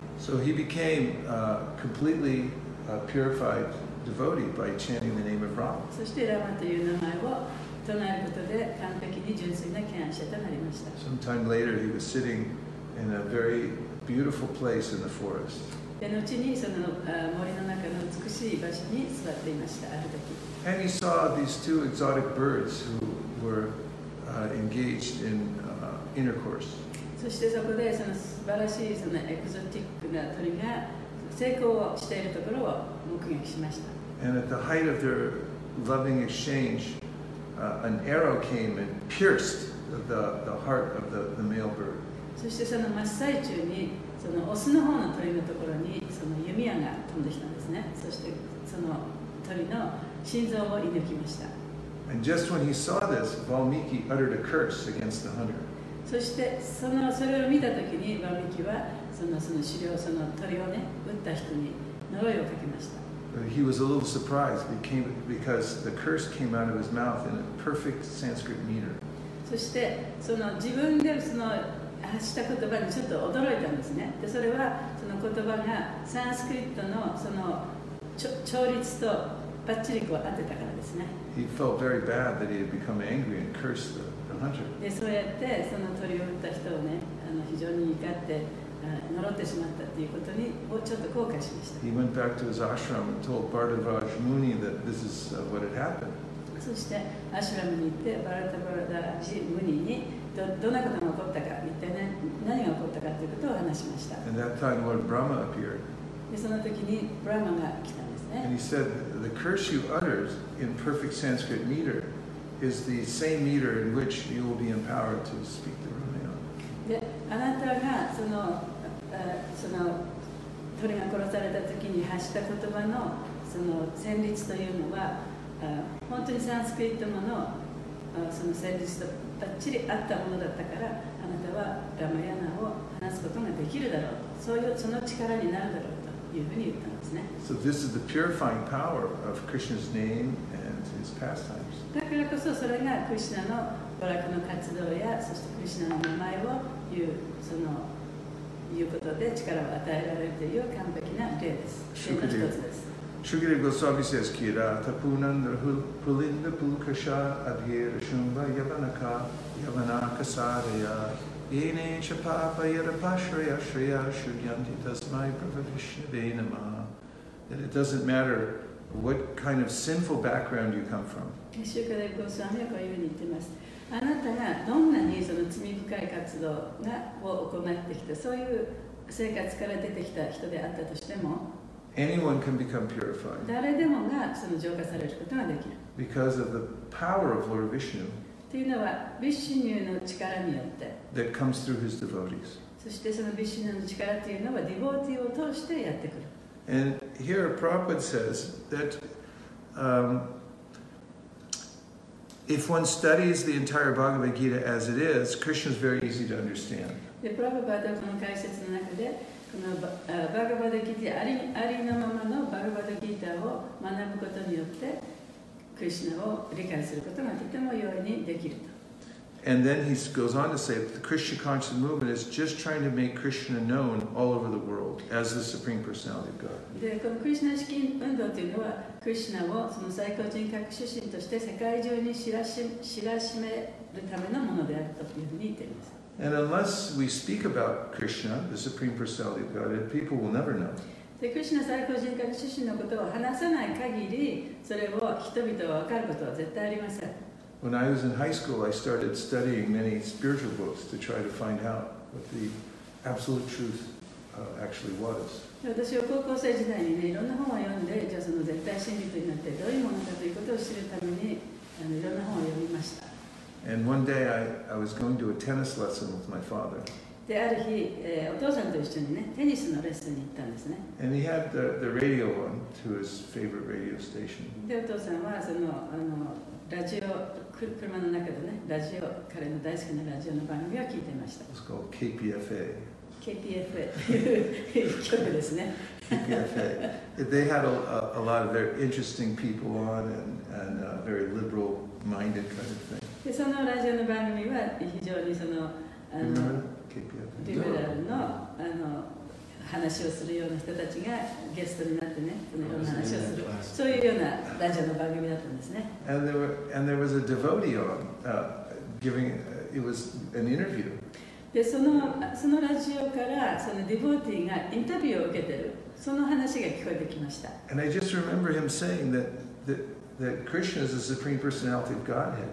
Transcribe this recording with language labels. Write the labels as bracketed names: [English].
[English] So he became completely purified devotee by chanting the name of Rama. [Japanese] そしてラマという名前を唱えることで完璧に純粋な啓蒙者となりました。 [English] Sometime later he was sitting in a very beautiful place in the forest. [Japanese] で、後にその森の中の美しい場所に座っていました、ある時。 [English] And he saw these two exotic birds who were engaged in intercourse. [Japanese] そしてそこでその素晴らしいそのエクゾティックな鳥が性交をしているところを目撃しました。 [English] And at the height of their loving exchange, an arrow came and pierced the heart of the male bird. [Japanese] そしてその真っ最中にそのオスの方の鳥のところにその弓矢が飛んできたんですね。そしてその鳥の心臓を射抜きました。 [English] And just when he saw this, Valmiki uttered a curse against the hunter. [Japanese] そしてそのそれを見た時にバルミキはその狩猟その鳥をね撃った人に呪いをかけました。 [English] He was a little surprised because the curse came out of his mouth in a perfect Sanskrit meter. [Japanese] そしてその自分でその発した言葉にちょっと驚いたんですね。でそれはその言葉がサンスクリットのその調律とバッチリこう合ってたからですね。 [English] He felt very bad that he had become angry and cursed the hunter. [Japanese] でそうやってその鳥を撃った人をね非常に怒って呪ってしまったということにをちょっと後悔しました。 [English] He went back to his ashram and told Bharadvaj Muni that this is what had happened. [Japanese] そしてアシュラムに行ってバラタバラダジムニにどんなことが起こったか一体、ね、何が起こったかということを話しました。 [English] And that time Lord Brahma appeared. [Japanese] でその時にブラマが来たんですね。 [English] And he said the curse you uttered in perfect Sanskrit meter is the same meter in which you will be empowered to speak the Ramayana. [Japanese] であなたがその鳥が殺された時に発した言葉のその旋律というのは本当にサンスクリット語のその旋律とバッチリ合ったものだったからあなたはラマヤナを話すことができるだろうとそういうその力になるだろうというふうに言ったんですね。 [English] So this is the purifying power of Krishna's name and his pastimes. [Japanese] だからこそそれがクリシュナの娯楽の活動やそしてクリシュナの名前を言うそのいうことで力を与えられるという完璧な例です。例の一つです。 [Sanskrit] Shukadeva Goswami says, Kirata Punandrahu Pulinda Pulkasha Adhira Shumba Yavanaka Yavanaka Sadaya Yene Chapapa Yadapashraya Shriya Shudyanti Tasmai Pravavishnave Namah. [English] That it doesn't matter what kind of sinful background you come from. [Japanese] Shukadeva Goswami はこういうふうに言っています。あなたがどんなにその罪深い活動を行ってきた、そういう生活から出てきた人であったとしても、 [English] Anyone can become purified. [Japanese] 誰でもがその浄化されることができる。 [English] Because of the power of Lord Vishnu. [Japanese] というのは、ビシュヌの力によって。 [English] That comes through his devotees. [Japanese] そしてそのビシュヌの力というのは、ディボーティーを通してやってくる。 [English] And here Prabhupada says that if one studies the entire Bhagavad Gita as it is, Krishna is very easy to understand. [Japanese] で、プラブパダはこの解説の中で、このバガバダギータありのままのバガバダギータを学ぶことによってクリシナを理解することがとても容易にできると。 [English] And then he goes on to say that the Krishna conscious movement is just trying to make Krishna known all over the world as the Supreme Personality of God. [Japanese] で、このクリシナ式運動というのはクリシナをその最高人格主神として世界中に知らしめるためのものであるというふうに言っています。 [English] And unless we speak about Krishna, the Supreme Personality of Godhead, people will never know. [Japanese] で、クリシュナ最高人格主神のことを話さない限り、それを人々は分かることは絶対ありません。 [English] When I was in high school, I started studying many spiritual books to try to find out what the absolute truth actually was. [Japanese] 私は高校生時代にね、いろんな本を読んで、じゃあその絶対真理になってどういうものかということを知るために、いろんな本を読みました。 [English] And one day I was going to a tennis lesson with my father. [Japanese] である日、お父さんと一緒にね、テニスのレッスンに行ったんですね。 [English] And he had the radio on to his favorite radio station. [Japanese] で、お父さんはあのラジオ、車の中でね、ラジオ、彼の大好きなラジオの番組を聞いていました。 [English] It's called KPFA. [Japanese] KPFA という曲ですね。 [English] KPFA. They had a lot of their interesting people on and a very liberal minded kind of thing. [Japanese] でそのラジオの番組は非常にリベラル の, あの話をするような人たちがゲストになってね、そのような話をする、そういうようなラジオの番組だったんですね。 [English] And there was a devotee on, giving, it was an interview. [Japanese] でそのラジオからそのディボーティーがインタビューを受けてる、その話が聞こえてきました。 [English] And I just remember him saying that Krishna is the Supreme Personality of Godhead.